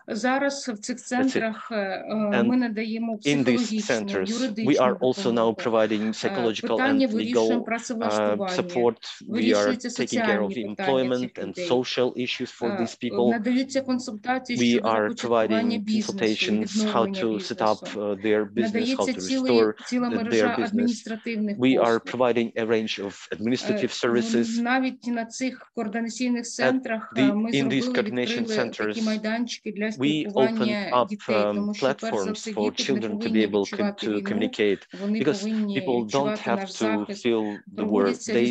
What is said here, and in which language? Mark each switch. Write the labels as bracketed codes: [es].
[uk] Зараз в цих центрах ми надаємо психологічну, centers, [en] we are also now providing psychological and legal support. We are taking care of employment and social issues for these people. [uk] Надаються консультації щодо започаткування бізнесу, [en] how to set up their business, how to restore their business. We are providing a range of administrative services. [uk] Навіть на цих координаційних центрах ми зробили відкрили такі майданчики для спілкування дітей, тому що перш за все діти не повинні відчувати війну, вони повинні відчувати наш захист,